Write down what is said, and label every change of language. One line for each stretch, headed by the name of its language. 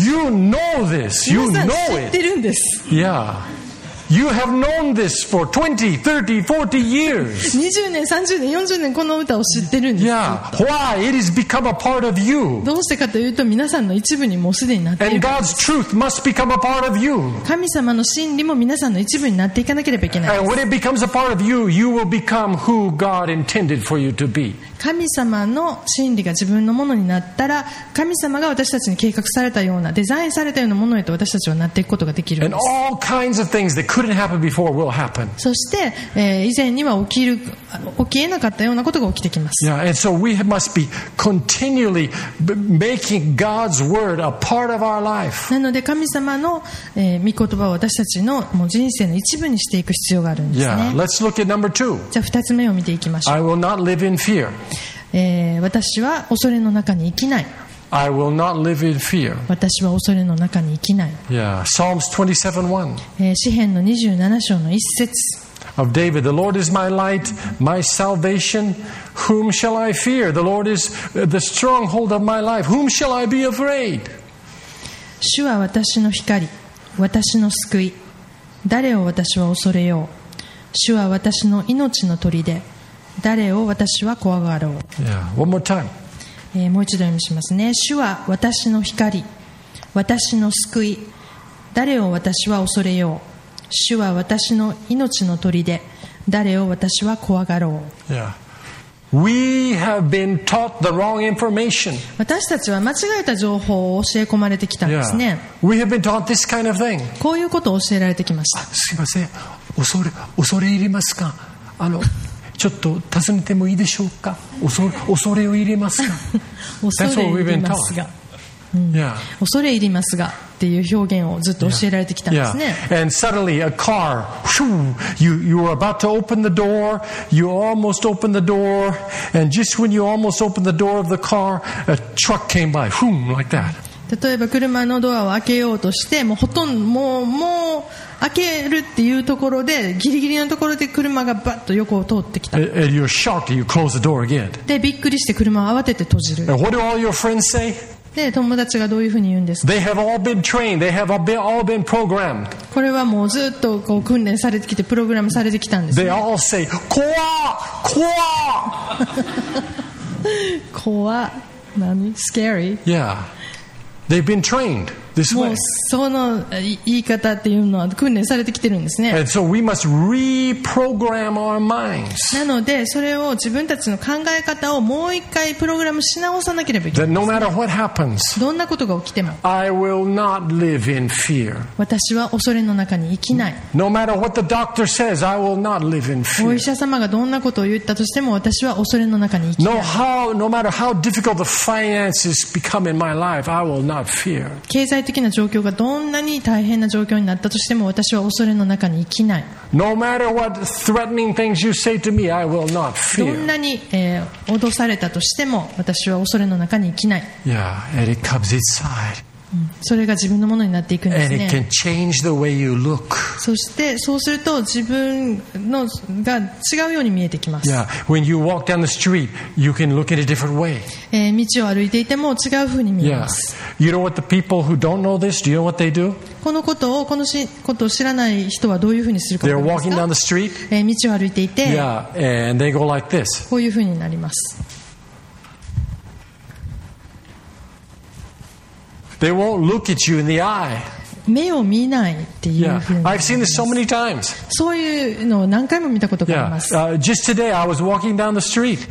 English: You know this. You know it.
Japanese: 知ってるんです。
English: Yeah. You have known this for 20, 30, 40 years.
Japanese: 20年、30年、40年この歌を知ってるんです。
English: Yeah. Why? It has become a part of you.
Japanese: どうしてかというと皆さんの一部にもうすでになっている。
English: And God's truth must become a part of you.
Japanese: 神様の真理も皆さんの一部になっていかなければいけないです。
English: And when it becomes a part of you, you will become who God intended for you to be.
Japanese: 神様の真理が自分のものになったら神様が私たちに計画されたようなデザインされたようなものへと私たちはなっていくことができるんです。そして、以前には起きえなかったようなことが起きてきます。
English: Yeah, and so we must be continually making God's word a part of our life.
Japanese: なので神様の、御言葉を私たちのもう人生の一部にしていく必要があるんですね。
English: Yeah, let's look at number two.
Japanese: じゃあ二つ目を見ていきましょう。
English: I will not live in fear.
Japanese: 私は恐れの中に生きない。
English: I will not live in fear.
Japanese: 私は恐れの中に生きない。
English: Yeah. Psalms 27:1.
Japanese: 詩編の27章の一節。
English: Of David, the Lord is my light, my salvation. Whom shall I fear? The Lord is the stronghold of my life. Whom shall I be afraid?
Japanese: 主は私の光、私の救い。誰を私は恐れよう。主は私の命の砦。誰を私は怖がろう。
English: Yeah. One more time.
Japanese: もう一度読みしますね。主は私の光、私の救い。誰を私は恐れよう。主は私の命の砦。誰を私は怖がろう。
English: Yeah. We have been taught the wrong information.
Japanese: 私たちは間違えた情報を教え込まれてきたんですね。
English: Yeah. We have been taught this kind of thing.
Japanese: こういうことを教えられてきました。すいません。恐れ入りますか。ちょっと尋ねてもいいでしょうか。恐れを入れますか。恐れ入りますが、
English: yeah.
Japanese: 恐れ入りますがっていう表現をずっと教えられてきたんですね。
English: yeah. And suddenly a car, whew, you were about to open the door, you almost opened the door, and just when you almost opened the door of the car, a truck came by, whew, like that.
Japanese: 例えば車のドアを開けようとして、もうほとんどもう開けるっていうところでギリギリのところで車がバッと横を通ってきた。
English: And you're shocked, you close the door again.
Japanese: でびっくりして車を慌てて閉じる。
English: And what do all your friends say?
Japanese: で友達がどういうふうに言うんですか。
English: They have all been trained. They have all been programmed.
Japanese: これはもうずっとこう訓練されてきてプログラムされてきたんです、ね、
English: They all say
Japanese: 怖っ怖っ怖っ何
English: scary? Yeah. They've been trainedThis way.
Japanese: もうその言い方っていうのは訓練されてきてるんですね。
English: And so we must reprogram our minds.
Japanese: なのでそれを自分たちの考え方をもう一回プログラムし直さなければいけない。
English: That no matter what happens,
Japanese: どんなことが起きても
English: I will not live in fear.
Japanese: 私は恐れの中に生きない。
English: No matter what the doctor says, I will not live in fear.
Japanese: お医者様がどんなことを言ったとしても私は恐れの中に生きない。
English: No matter how difficult the finances become in my life, I will not fear.
Japanese: 経済的な状況がどんなに大変な状況になったとしても私は恐れの中に生きない。
English: No matter what threatening things you say to me, I will not fear.
Japanese: どんなに、脅されたとしても私は恐れの中に生きない。
English: Yeah, and it comes inside.
Japanese: それが自分のものになっていくんですね。
English: And it can change the way you look.
Japanese: そしてそうすると自分のが違うように見えてきます。
English: Yeah, when you walk down the street, you can look in a different way.
Japanese: 道を歩いていても違うふうに見えます。
English: Yeah. You know what the people who don't know this, do you know what they do?
Japanese: このことを知らない人はどういうふうにするか。
English: They're walking down the street.
Japanese: 道を歩いていて。
English: Yeah, and they go like this.
Japanese: こういうふうになります。
English: They won't look at you in the eye.
Japanese: 目を見ないっていう風に。
English: Yeah, I've seen this so many times.
Japanese: そういうのを何回も見たことがあります。
English: Yeah, just today I was walking down the street.